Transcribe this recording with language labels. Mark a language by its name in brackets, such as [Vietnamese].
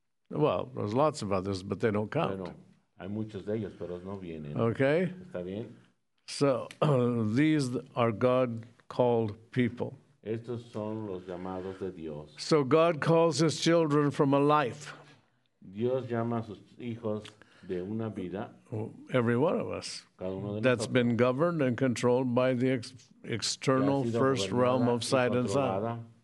[English] Well, there's lots of others, but they don't count. [Spanish] Bueno, hay muchos de ellos, pero no vienen. [English] Okay. [Spanish] ¿Está bien? [English] So, these are God-called people. [Spanish] Estos son los llamados de Dios. [English] So God calls his children from a life. [Spanish] Dios llama a sus hijos de una vida. [English] Every one of us. [Spanish] Cada uno de [English] that's [Spanish] nosotros. [English] Been governed and controlled by the external first realm of sight and sound.